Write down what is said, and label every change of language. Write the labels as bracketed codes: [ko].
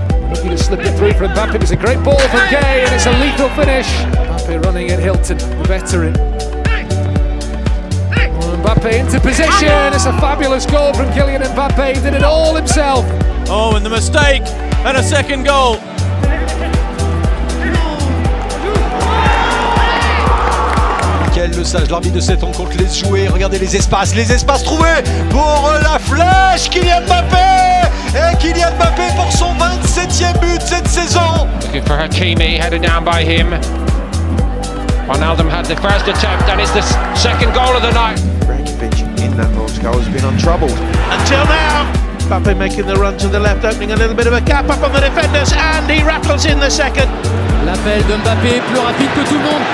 [en] Looking to slip it through for Mbappe, it was a great ball from Gay, and it's a lethal finish. Mbappe running at Hilton, the veteran. Mbappe into position, it's a fabulous goal from Kylian Mbappe, did it all himself. Oh, and the mistake, and a second goal. [fr] Quel message, l'arbitre de cette rencontre laisse jouer, regardez les espaces trouvés pour la flèche, Kylian Mbappé. Et Kylian Mbappé pour son 27e but cette saison. [en] Looking for Hakimi, headed down by him. Wijnaldum had the first attempt, and it's the second goal of the night. Rakitic in that box, goal has been untroubled. Until now. Mbappe making the run to the left, opening a little bit of a gap up on the defenders, and he rattles in the second. [fr] L'appel de Mbappé plus rapide que tout le monde.